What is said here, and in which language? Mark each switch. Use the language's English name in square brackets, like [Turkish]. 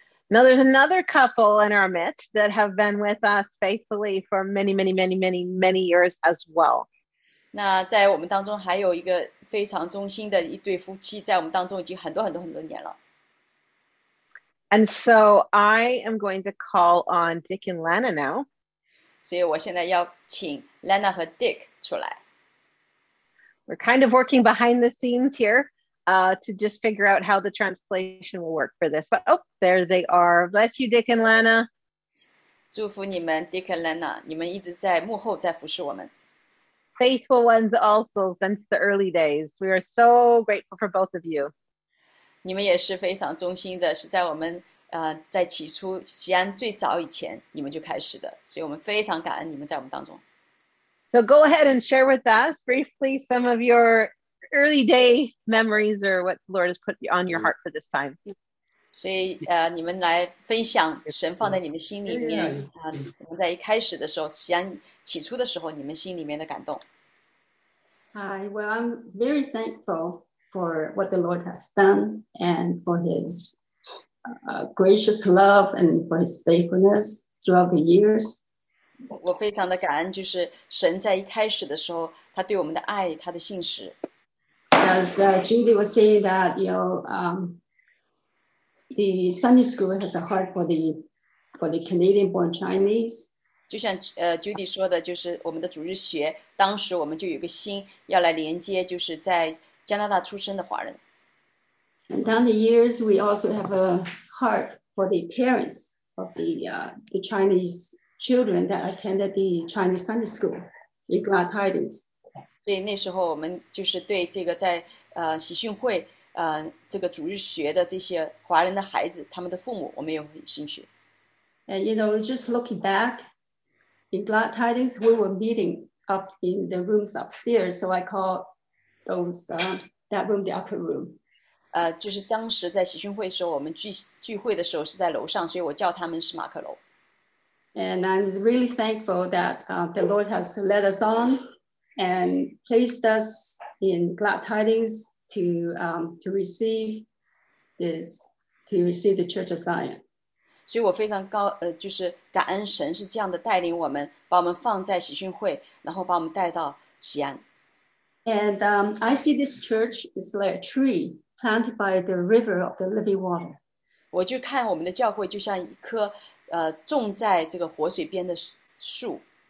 [English] Now there's another couple in our midst that have been with us faithfully for many, many, many, many, many years as well. [Chinese] 那在我们当中还有一个非常忠心的一对夫妻，在我们当中已经很多很多很多年了。 [English] And so I am going to call on Dick and Lana now. [Chinese] 所以我现在要请 Lana 和 Dick 出来。 [English] We're kind of working behind the scenes here. To just figure out how the translation will work for this. But, oh, there they are. Bless you, Dick and Lana. [Chinese] 祝福你们, Dick and Lana. 你们一直在幕后在服侍我们。 [English] Faithful ones also since the early days. We are so grateful for both of you. [Chinese] 你们也是非常忠心的,是在我们在起初西安最早以前你们就开始的。所以我们非常感恩你们在我们当中。 [English] So go ahead and share with us briefly some of your... early day memories or what the Lord has put on your heart for this time. [Chinese] 所以你们来分享神放在你们心里面我们在一开始的时候想起初的时候你们心里面的感动。 [English] Hi, well, I'm very thankful for what the Lord has done and for his gracious love and for his faithfulness throughout the years. [Chinese] 我非常的感恩就是神在一开始的时候他对我们的爱他的信实。 [English] As Judy was saying that, you know, the Sunday school has a heart for the Canadian-born Chinese. [Chinese] 就像Judy 说的，就是我们的主日学，当时我们就有个心要来连接，就是在加拿大出生的华人。 [English] And down the years, we also have a heart for the parents of the Chinese children that attended the Chinese Sunday school, the Glad Tidings. [Chinese] 所以那时候我们就是对这个在喜讯会这个主日学的这些华人的孩子他们的父母我们有兴趣。 [English] And you know, just looking back, in Glad Tidings, we were meeting up in the rooms upstairs, so I call that room the upper room. [Chinese] 就是当时在喜讯会的时候我们聚会的时候是在楼上所以我叫他们是马克楼。 [English] And I'm really thankful that the Lord has led us on. And placed us in Glad Tidings to receive the Church of Zion. [Chinese] 所以我非常高就是感恩神是这样的带领我们，把我们放在喜讯会，然后把我们带到西安。 [English] And I see this church is like a tree planted by the river of the living water. [Chinese] 我就看我们的教会就像一棵种在这个活水边的树。